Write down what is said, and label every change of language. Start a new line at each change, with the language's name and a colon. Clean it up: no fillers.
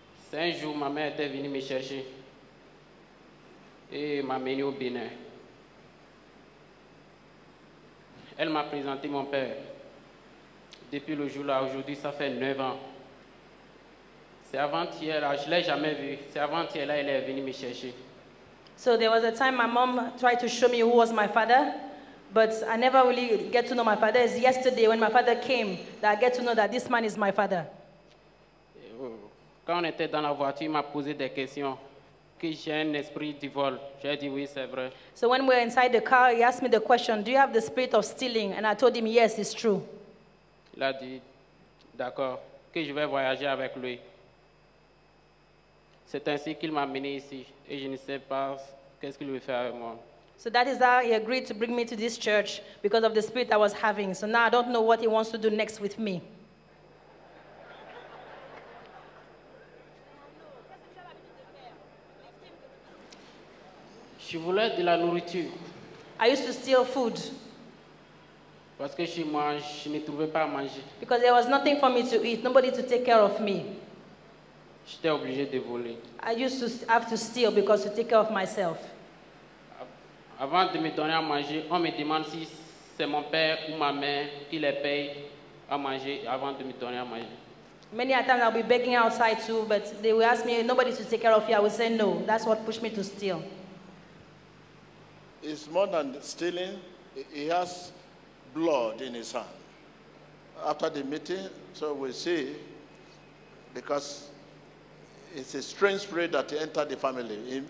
French: C'est un jour, ma mère était venue me chercher. Et m'a menée au Bénin. Elle m'a présenté mon père. Depuis le jour-là, aujourd'hui, ça fait 9 ans. C'est avant-hier, là, je ne l'ai jamais vu. C'est avant-hier, là, elle est venue me chercher.
English: So there was a time my mom tried to show me who was my father. But I never really get to know my father. It's yesterday when my father came that I get to know that this man is my father.
French: Quand on était dans la voiture, il m'a posé des questions. Que j'ai un esprit de vol. J'ai dit oui, c'est vrai.
English: So when we were inside the car, he asked me the question, do you have the spirit of stealing? And I told him, yes, it's true.
French: Il a dit, d'accord, que je vais voyager avec lui. C'est ainsi qu'il m'a amené ici. Et je ne sais pas qu'est-ce qu'il veut faire avec moi.
English: So that is how he agreed to bring me to this church because of the spirit I was having. So now I don't know what he wants to do next with me.
French: Je voulais de la nourriture.
English: I used to steal food.
French: Parce que je mange, je ne trouvais pas à manger.
English: Because there was nothing for me to eat, nobody to take care of me.
French: J'étais obligé de voler.
English: I used to have to steal because to take care of myself.
French: Avant de me donner à manger, on me demande si c'est mon père ou ma mère qui les paye à manger avant de me donner à manger.
English: Many a time I'll be begging outside too, but they will ask me, nobody to take care of you. I will say no. That's what pushed me to steal. It's more than stealing. He has blood in his hand. After the meeting, so we'll see, because it's a strange spirit that entered the family.